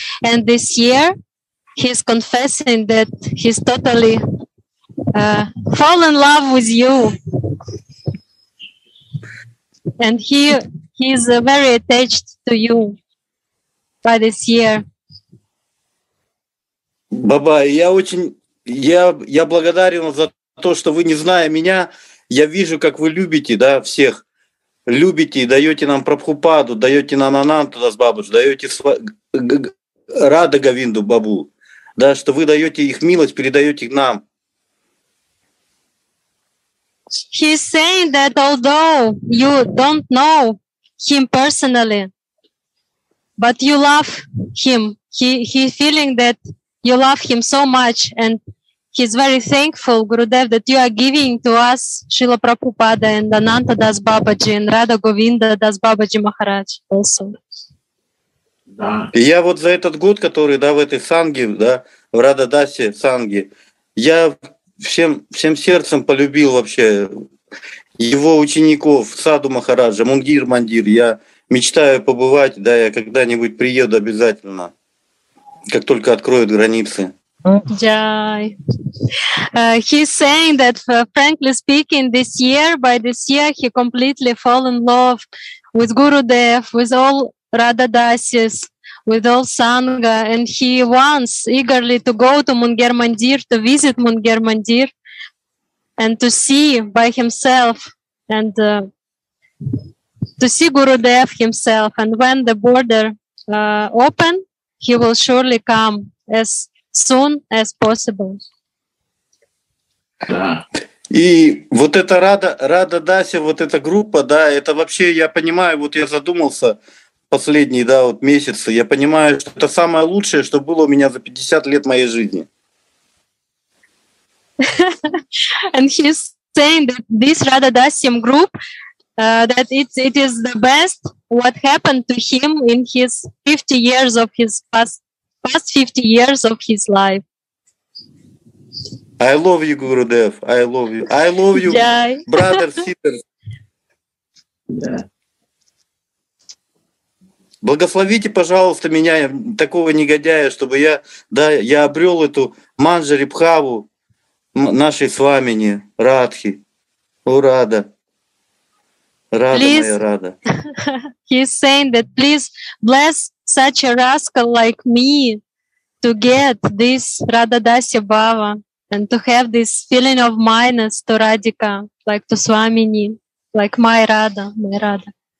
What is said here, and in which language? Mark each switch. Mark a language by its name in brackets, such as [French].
[English] And this year, he's confessing that he's totally fall in love with you. And he's very attached to you by this year. [Russian] Баба, я очень, я благодарен за то, что вы, не зная меня, я вижу, как вы любите, да, всех. Любите и даете нам Прабхупаду, даете нам Ананту Дас Бабуш, даете Радха Говинду Бабу, да, что вы даете их милость, передаете нам. [English] He's saying that although you don't know him personally, but you love him. He's feeling that you love him so much, and he's very thankful, Gurudev, that you are giving to us Srila Prabhupada and Ananta Das Babaji and Radha Govinda Das Babaji Maharaj also. [Russian] И я вот за этот год, который, да, в этой санге, да, в Радха Дасе санге, я всем сердцем полюбил вообще его учеников, Садху Махараджа, Мундир Мандир. Я мечтаю побывать, да, я когда-нибудь приеду обязательно, как только откроют границы. Jai. [English] He's saying that, frankly speaking, this year, he completely fell in love with Gurudev, with all Radha Dasis, with all Sangha, and he wants eagerly to go to Munger Mandir, to visit Munger Mandir, and to see by himself, and to see Gurudev himself. And when the border open, he will surely come as soon as possible. [Russian] Да. И вот эта Радха Даса, вот эта группа, да, это вообще, я понимаю, вот я задумался последние, да, вот месяцы, я понимаю, что это самое лучшее, что было у меня за 50 лет моей жизни. [English] And he's saying that this Radha Dasyam group, that it is the best what happened to him in his 50 years of his past 50 years of his life. I love you, Gurudev. I love you. I love you, brother, sister. [Russian] Благословите, пожалуйста, меня, такого негодяя, чтобы я, да, я обрёл эту манджарибхаву нашей свамини, Радхи. О, Рада. Рада, [English] please, [Russian] моя Рада. [English] He's saying that, please bless such a rascal like me to get this Radha Dasya Bhava and to have this feeling of minus to Radhika, like to Swamini, like my Radha, my Radha.